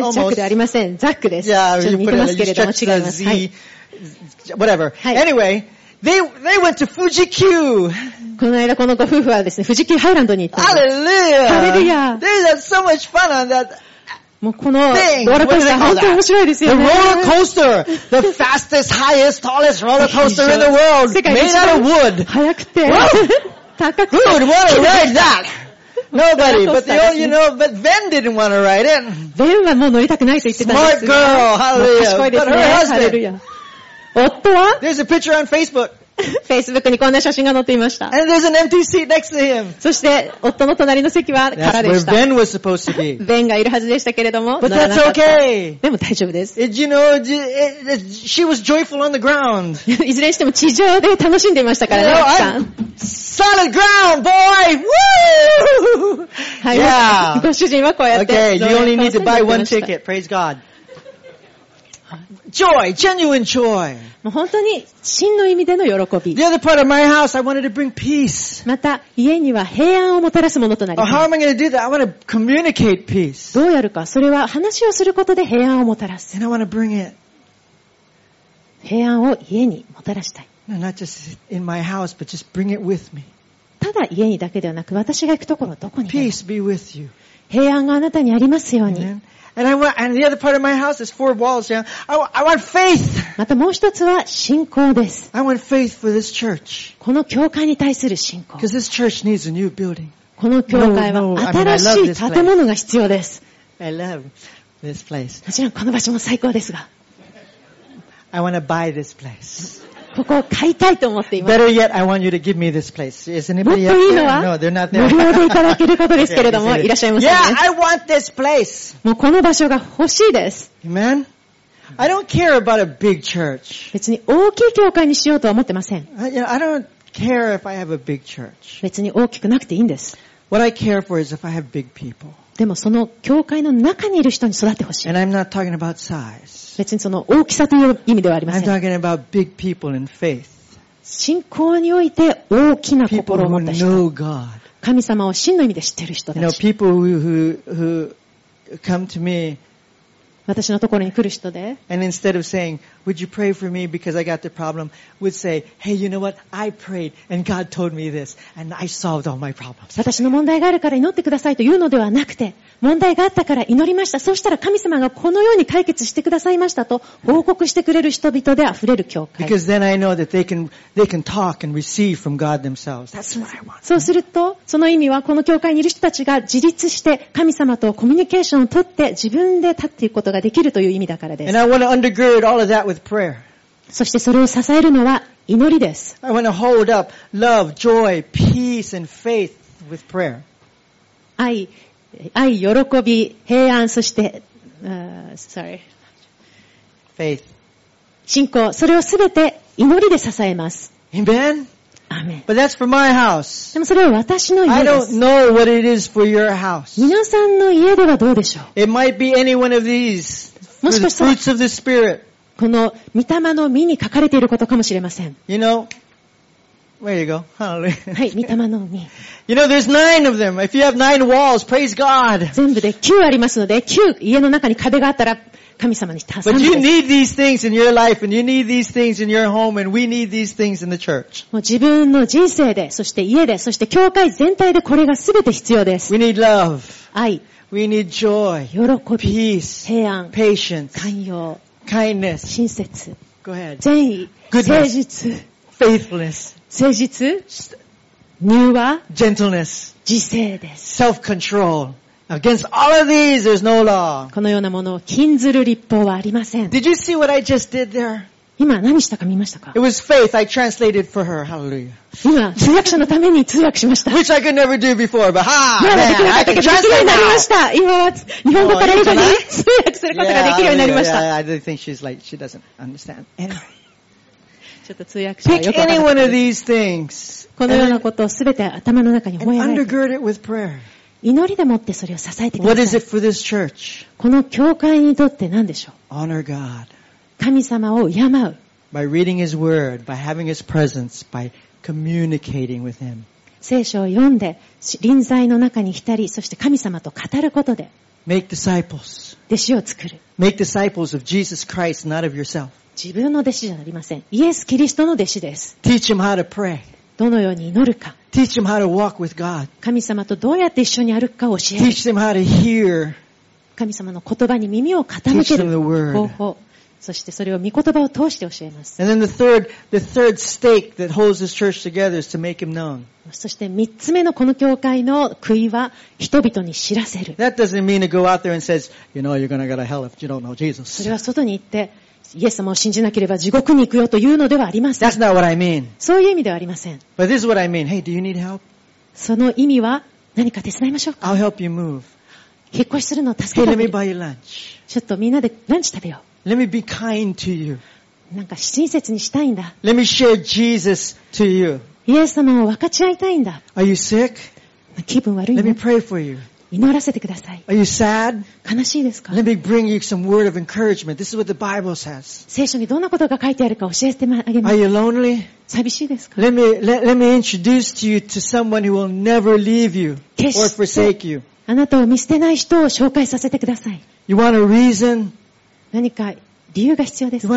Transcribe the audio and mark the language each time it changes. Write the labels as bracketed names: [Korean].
[English] Anyway, almost... [Japanese] ジャックではありません。ザックです。 Yeah, ちょっと似てますけれども、違います。はい。 [English] Whatever. [Japanese] はい。 [English] Anyway, they went to Fuji Q. [Japanese] この間このご夫婦はですね、富士急ハイランドに行ったんです。 [English] Hallelujah! Hallelujah! They had so much fun on that. [Japanese] もうこのローラーコースター本当に面白いですよね。 [English] The roller coaster, the fastest, highest, tallest roller coaster in the world, made out of wood. [Japanese] 速くて、高くて。 [English] Who would want to ride that? Nobody, but the old, you know, but Ben didn't want to ride it. [Japanese] Ben はもう乗りたくないと言ってたんです。 [English] Smart girl, hallelujah. But her husband. [Japanese] 夫は? [English] There's a picture on Facebook. [Japanese] Facebook にこんな写真が載っていました。 [English] And there's an empty seat next to him. [Japanese] そして夫の隣の席は空でした。 [English] That's where Ben was supposed to be. [Japanese] Ben がいるはずでしたけれども。 [English] But that's okay. [Japanese] でも大丈夫です。 [English] You know, she was joyful on the ground. [Japanese] いずれにしても地上で楽しんでいましたからね。 [English] You know, Solid ground, boy! Woo! Yeah. Okay, you only need to buy one ticket. Praise God. Joy, genuine joy. [Japanese] もう本当に真の意味での喜び。 [English] The other part of my house, I wanted to bring peace. [Japanese] また家には平安をもたらすものとなります。 [English] How am I going to do that? I want to communicate peace. [Japanese] どうやるか、それは話をすることで平安をもたらす。 [English] And I want to bring it. [Japanese] 平安を家にもたらしたい。 [English] Not just in my house, but just bring it with me. [Japanese] ただ家にだけではなく、私が行くところはどこに。 [English] Peace be with you. [Japanese] 平安があなたにありますように。 [English] And the other part of my house is four walls. Yeah, I want faith. [Japanese] またもう一つは信仰です。 [English] I want faith for this church. [Japanese] この教会に対する信仰。 [English] Because this church needs a new building. [Japanese] この教会は新しい建物が必要です。 [English] I love this place. [Japanese] もちろんこの場所も最高ですが。 [English] I want to buy this place. [Japanese] ここを買いたいと思っています。 [English] Better yet, I want you to give me this place. Is anybody else? No, they're not there. [Japanese] 無料でいただけることですけれども、いらっしゃいます [English] ね。Yeah, I want this place. [Japanese] もうこの場所が欲しいです。 [English] Amen. I don't care about a big church. [Japanese] 別に大きい教会にしようとは思ってません。 [English] I don't care if I have a big church. [Japanese] 別に大きくなくていいんです。 [English] What I care for is if I have big people. [Japanese] でもその教会の中にいる人に育ってほしい。別にその大きさという意味ではありません。 [English] I'm talking about big people in faith. [Japanese] 信仰において大きな心を持った人。 [English] People who know God. [Japanese] 神様を真の意味で知っている人たち。 [English] You know, people who come to me. [Japanese] 私のところに来る人で。 [English] And instead of saying, "Would you pray for me because I got the problem?" would say, "Hey, you know what? I prayed and God told me this and I solved all my problems." [Japanese] 私の問題があるから祈ってくださいというのではなくて、問題があったから祈りました。そうしたら神様がこのように解決してくださいましたと報告してくれる人々であふれる教会。 [English] Because then I know that they can talk and receive from God themselves. That's what I want. [Japanese] そうすると、その意味はこの教会にいる人たちが自立して神様とコミュニケーションを取って自分で立っていくことができるという意味だからです。 [English] And I want to undergird all of that. With prayer. [Japanese] そしてそれを支えるのは祈りです。 [English] I want to hold up love, joy, peace, and faith with prayer. [Japanese] 愛、喜び、平安、そして、 [English] sorry. Faith. [Japanese] 信仰、それをすべて祈りで支えます。 [English] Amen? Amen. But that's for my house. [Japanese] でもそれは私の家です。 [English] I don't know what it is for your house. [Japanese] 皆さんの家ではどうでしょう? [English] It might be any one of these. [Japanese] もしかしたら。 [English] Fruits of the Spirit. [Japanese] この御霊の実に書かれていることかもしれません。 [English] You know, Where you go. [Japanese] Hallelujah. はい、御霊の海。 [English] You know, there's nine of them. If you have nine walls, praise God. [Japanese] 全部で9ありますので、9家の中に壁があったら、神様に助けて。 [English] But you need these things in your life, and you need these things in your home, and we need these things in the church. [Japanese] もう自分の人生で、そして家で、そして教会全体でこれが全て必要です。 [English] We need love. [Japanese] 愛。 [English] We need joy. [Japanese] 喜び。 [English] Peace. [Japanese] 平安。 [English] Patience. [Japanese] 寛容。 [English] Kindness. [Japanese] 親切。 [English] Go ahead. [Japanese] 善意。 [English] Goodness. [Japanese] 誠実。 [English] Faithfulness. [Japanese] 誠実。柔和。 [English] Gentleness. [Japanese] 自制です。 [English] Self-control. Against all of these, there's no law. [Japanese] このようなものを禁ずる立法はありません。 [English] Did you see what I just did there? [Japanese] 今何したか見ましたか? [English] It was faith. I translated for her. Hallelujah. [Japanese] 今通訳者のために通訳しました。 [English] Which I could never do before, but ha! [Japanese] まだできなかったけど、できるようになりました。今は日本語から英語に通訳することができるようになりました。 [English] Yeah, I think she's like, she doesn't understand. [Japanese] ちょっと通訳者はよくわからない。 [English] Pick any one of these things. [Japanese] このようなことをすべて頭の中に思い描いて。 [English] And undergird it with prayer. [Japanese] 祈りでもってそれを支えてください。 [English] What is it for this church? [Japanese] この教会にとって何でしょう? [English] Honor God. [Japanese] 神様を敬う。 [English] By reading His word, by having His presence, by communicating with Him. [Japanese] 聖書を読んで、臨在の中に浸り、そして神様と語ることで。 [English] Make disciples. [Japanese] 弟子を作る。 [English] Make disciples of Jesus Christ, not of yourself. [Japanese] 自分の弟子じゃありません。イエス・キリストの弟子です。 [English] Teach him how to pray. [Japanese] どのように祈るか。 [English] Teach them how to walk with God. [Japanese] 神様とどうやって一緒に歩くかを教える。 [English] Teach them how to hear. [Japanese] 神様の言葉に耳を傾ける方法。 [English] Teach them the word. [Japanese] そしてそれを御言葉を通して教えます。 [English] And then the third stake that holds this church together is to make him known. [Japanese] そして三つ目のこの教会の杭は人々に知らせる。 [English] That doesn't mean to go out there and says, you know, you're gonna go to hell if you don't know Jesus. [Japanese] それは外に行って。イエス様を信じなければ地獄に行くよというのではありません。 [English] That's not what I mean. [Japanese] そういう意味ではありません。 [English] But this is what I mean. Hey, do you need help? [Japanese] その意味は何か手伝いましょうか。 [English] I'll help you move. [Japanese] 引っ越しするのを助けてくれ。 [English] Hey, let me buy you lunch. [Japanese] ちょっとみんなでランチ食べよう。 [English] Let me be kind to you. [Japanese] なんか親切にしたいんだ。 [English] Let me share Jesus to you. [Japanese] イエス様を分かち合いたいんだ。 [English] Are you sick? [Japanese] 気分悪いの? [English] Let me pray for you. [Japanese] 祈らせてください。 [English] Are you sad? [Japanese] 悲しいですか? [English] Let me bring you some word of encouragement. This is what the Bible says. [Japanese] 聖書にどんなことが書いてあるか教えてあげます。 [English] Are you lonely? [Japanese] 寂しいですか? [English] Let me introduce you to someone who will never leave you or forsake you. [Japanese] あなたを見捨てない人を紹介させてください。 [English] You want a reason? [Japanese] 何か理由が必要ですか?